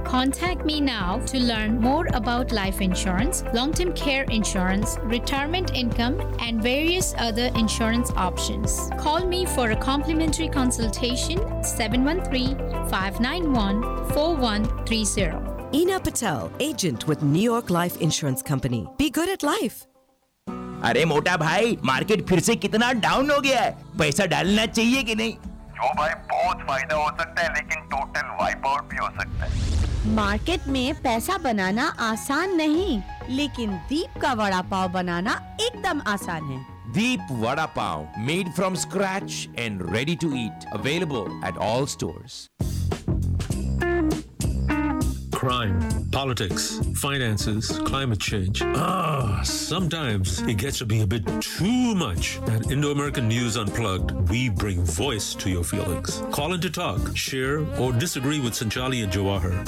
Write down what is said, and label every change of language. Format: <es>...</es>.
<en>Contact me now to learn more about life insurance, long-term care insurance, retirement income, and various other insurance options. Call me for a complimentary consultation, 713-591-4130. Ina Patel, agent with New York Life Insurance Company. Be good at life.</en> <hi>अरे मोटा भाई, market फिर से कितना down हो गया है? पैसा डालना चाहिए कि नहीं? जो भाई बहुत फायदा हो सकता है, लेकिन</hi> <en>total wipe out</en> <hi>भी हो सकता है। मार्केट में पैसा बनाना आसान नहीं, लेकिन दीप का वड़ा पाव बनाना एकदम आसान है।</hi> <en>Deep vada pav, made from scratch and ready to eat, available at all stores. Crime, politics, finances, climate change. Sometimes it gets to be a bit too much. At Indo-American News Unplugged, we bring voice to your feelings. Call in to talk, share, or disagree with Sanjali and Jawahar.</en>